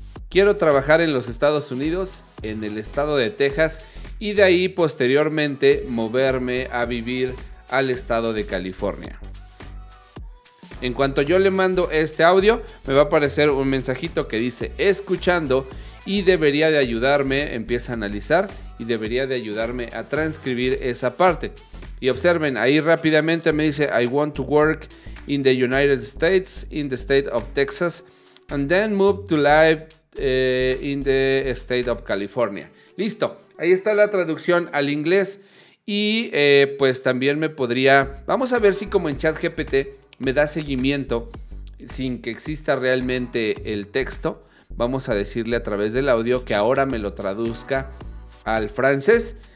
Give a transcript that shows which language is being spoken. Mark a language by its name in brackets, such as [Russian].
[Spanish] Quiero trabajar en los Estados Unidos, en el estado de Texas, y de ahí posteriormente moverme a vivir al estado de California. En cuanto yo le mando este audio, me va a aparecer un mensajito que dice: escuchando, y debería de ayudarme, empieza a analizar y debería de ayudarme a transcribir esa parte. Y observen, ahí rápidamente me dice: [English] I want to work in the United States, in the state of Texas, and then move to live in the state of California. [Spanish] Listo, ahí está la traducción al inglés. Y pues también me podría, vamos a ver si como en ChatGPT me da seguimiento sin que exista realmente el texto, vamos a decirle a través del audio que ahora me lo traduzca al francés.